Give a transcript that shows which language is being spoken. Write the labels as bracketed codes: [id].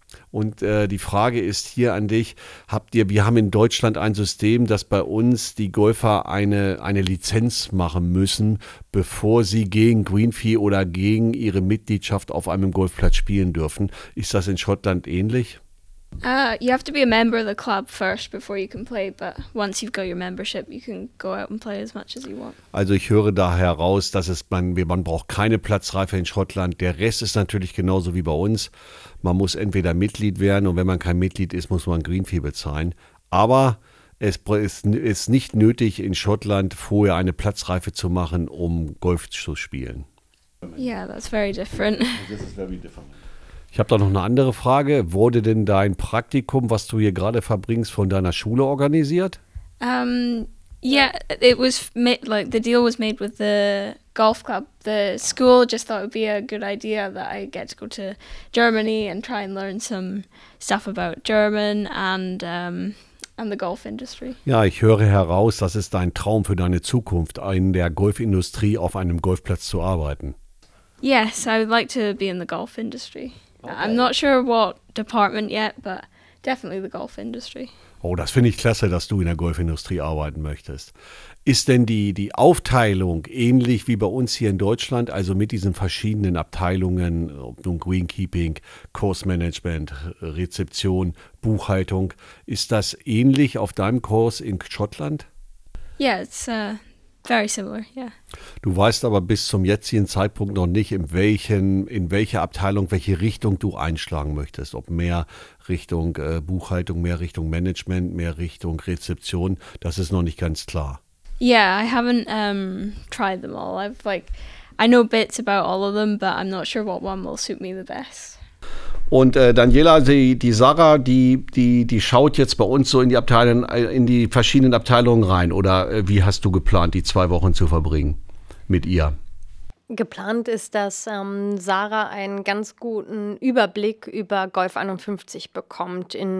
[de] Und die Frage ist hier an dich, wir haben in Deutschland ein System, dass bei uns die Golfer eine Lizenz machen müssen, bevor sie gegen Greenfee oder gegen ihre Mitgliedschaft auf einem Golfplatz spielen dürfen. Ist das in Schottland ähnlich? [en] You have to be a member of the club first before you can play, but once you've got your membership, you can go out and play as much as you want. [de] Also ich höre da heraus, dass man braucht keine Platzreife in Schottland. Der Rest ist natürlich genauso wie bei uns. Man muss entweder Mitglied werden, und wenn man kein Mitglied ist, muss man Greenfee bezahlen. Aber es ist nicht nötig, in Schottland vorher eine Platzreife zu machen, um Golf zu spielen. [en] Yeah, that's very different. This is very different. [de] Ich habe da noch eine andere Frage. Wurde denn dein Praktikum, was du hier gerade verbringst, von deiner Schule organisiert? [en] It was the deal was made with the golf club. The school just thought it would be a good idea that I get to go to Germany and try and learn some stuff about German and the golf industry. [de] Ja, ich höre heraus, das ist dein Traum für deine Zukunft, in der Golfindustrie auf einem Golfplatz zu arbeiten. [en] Yes, I would like to be in the golf industry. Okay. I'm not sure what department yet, but definitely the golf industry. [de] Oh, das finde ich klasse, dass du in der Golfindustrie arbeiten möchtest. Ist denn die Aufteilung ähnlich wie bei uns hier in Deutschland, also mit diesen verschiedenen Abteilungen, ob nun Greenkeeping, Course Management, Rezeption, Buchhaltung, ist das ähnlich auf deinem Kurs in Schottland? [en] Yeah, it's very similar, yeah. [de] Du weißt aber bis zum jetzigen Zeitpunkt noch nicht, in welcher Abteilung, welche Richtung du einschlagen möchtest. Ob mehr Richtung Buchhaltung, mehr Richtung Management, mehr Richtung Rezeption. Das ist noch nicht ganz klar. [en] Yeah, I haven't tried them all. I've like I know bits about all of them, but I'm not sure what one will suit me the best. [de] Und Daniela, die Sarah, die schaut jetzt bei uns so in die Abteilungen, in die verschiedenen Abteilungen rein. Oder wie hast du geplant, die 2 Wochen zu verbringen mit ihr? Geplant ist, dass Sarah einen ganz guten Überblick über Golf 51 bekommt.